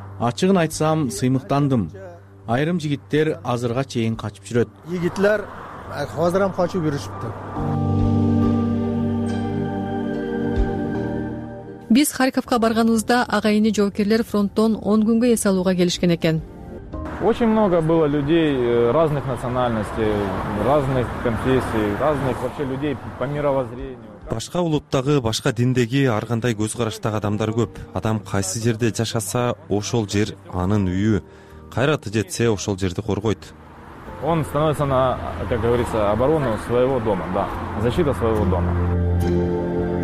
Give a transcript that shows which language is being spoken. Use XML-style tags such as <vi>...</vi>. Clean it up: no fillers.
<ky>Ачыгын айтсам, сыймыктандым. Айрым жигиттер азырга чейин качып жүрөт. Жигиттер азыр ам качып жүрүшүптү. Биз Харьковго барганыбызда ага ини жоокерлер фронттон 10 күнгө эс алууга келишкен экен.</ky> <ru>Очень много было людей разных национальностей, разных конфессий, разных вообще людей по мировоззрению.</ru> <ky>Башка улуттагы, башка диндеги ар кандай көз караштагы адамдар көп. Адам кайсы жерде жашаса, ошол жер анын үйү. Кайрат жетсе, ошол жерди коргойт.</ky> <ru>Он становится на, как говорится, оборону своего дома, да, защита своего дома.</ru>